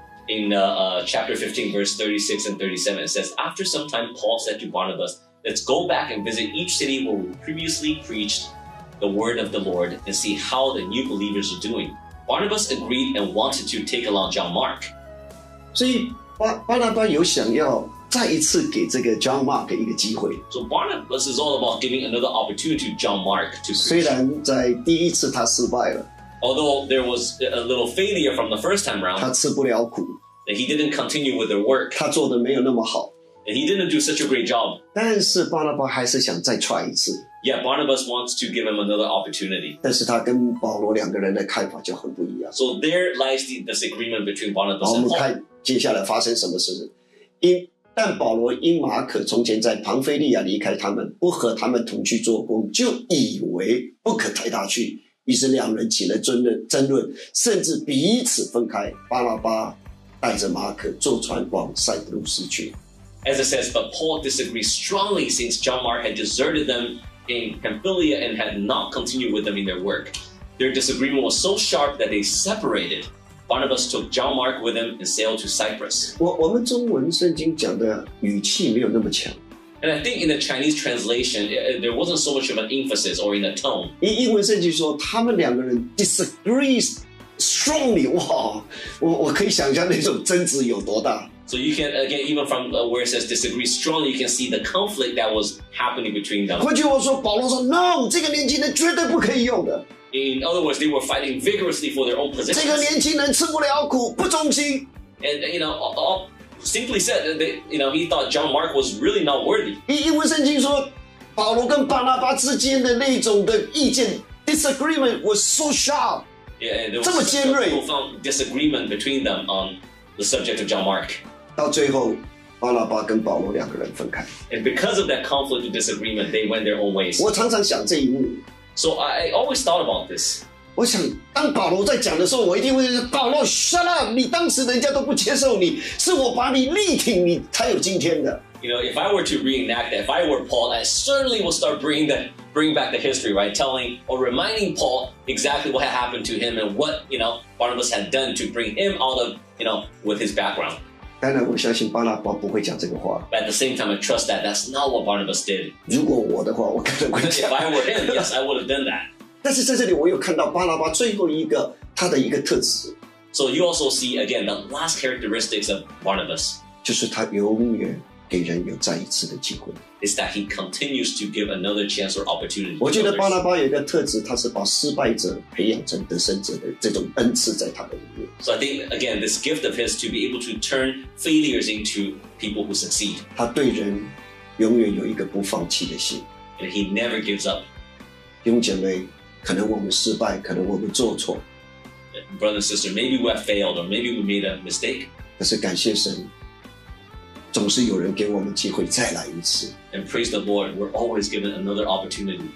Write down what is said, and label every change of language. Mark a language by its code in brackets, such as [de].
[en] In chapter 15, verse 36 and 37, it says, After some time, Paul said to Barnabas, Let's go back and visit each city where we previously preached the word of the Lord and see how the new believers are doing. Barnabas agreed and wanted to take along John Mark. [zh] 所以巴拿巴有想要再一次给这个 John Mark 一个机会。 [en] So Barnabas is all about giving another opportunity to John Mark to preach. [zh] 虽然在第一次他失败了。 [en] Although there was a little failure from the first time around, [zh] 他吃不了苦。 [en] And he didn't continue with the work. [zh] 他做得没有那么好。 [en] And he didn't do such a great job. [zh] 但是 Barnabas 还是想再 try 一次。 [en] Yeah, Barnabas wants to give him another opportunity. [zh] 但是他跟保罗两个人的看法就很不一样。 [en] So there lies the disagreement between Barnabas and Paul. [zh] 我们看接下来发生什么事。但保罗因马可从前在庞菲利亚离开他们，不和他们同去做工，就以为不可抬他去。于是两人起了争论，甚至彼此分开。巴拉巴带着马可坐船往塞浦路斯去。 [en] As it says, but Paul disagreed strongly since John Mark had deserted them in Pamphylia and had not continued with them in their work. Their disagreement was so sharp that they separated. Barnabas took John Mark with him and sailed to Cyprus. [zh] 我们中文圣经讲的语气没有那么强。 [en] And I think in the Chinese translation, there wasn't so much of an emphasis or in a tone. [zh] 英文圣经说他们两个人 [en] disagrees strongly. [zh] 哇，我可以想象那种争执有多大。 [en] So you can, again, even from where it says disagree strongly, you can see the conflict that was happening between them. [zh] 换句话说，保罗说 , [en] No, [zh] 这个年轻人绝对不可以用的。 [en] In other words, they were fighting vigorously for their own position. [zh] 这个年轻人吃不了苦，不忠心。 [en] And, you know, simply said, they, you know, he thought John Mark was really not worthy. [zh] 因为圣经说，保罗跟巴拿巴之间的那种的意见 [en] disagreement was so sharp. Yeah, and there was a profound disagreement between them on the subject of John Mark. [zh] 到最后，巴拿巴跟保罗两个人分开。 [en] And because of that conflict and disagreement, they went their own ways. [zh] 我常常想这一幕。 [en] So I always thought about this. [zh] 我想当保罗在讲的时候，我一定会说：“保罗 ， [en] shut up！ [zh] 你当时人家都不接受你，是我把你力挺，你才有今天的。” [en] You know, if I were to reenact that, if I were Paul, I certainly will start bring back the history, right? Telling or reminding Paul exactly what had happened to him and what you know Barnabas had done to bring him out of you know with his background. [zh] 当然，我相信巴拿巴不会讲这个话。 [en] But at the same time, I trust that that's not what Barnabas did. [zh] 如果我的话，我可能会讲。 [en] If I were him, yes, I would have done that. [zh] 但是在这里，我又看到巴拿巴最后一个他的一个特质。 [en] So you also see again the last characteristics of Barnabas. [zh] 就是他永远给人有再一次的机会。 [en] Is that he continues to give another chance or opportunity? [zh] 我觉得巴拿巴有一个特质，他是把失败者培养成得胜者的这种恩赐在他的里面。 [en] So I think again, this gift of his to be able to turn failures into people who succeed. [zh] 他对人永远有一个不放弃的心。 [en] And he never gives up. [zh] 弟兄姐妹，可能我们失败，可能我们做错。 [en] Brother and sister, maybe we have failed or maybe we made a mistake. [zh] 但是感谢神。总是有人给我们机会再来一次。 [en] And praise the Lord, we're always given another opportunity.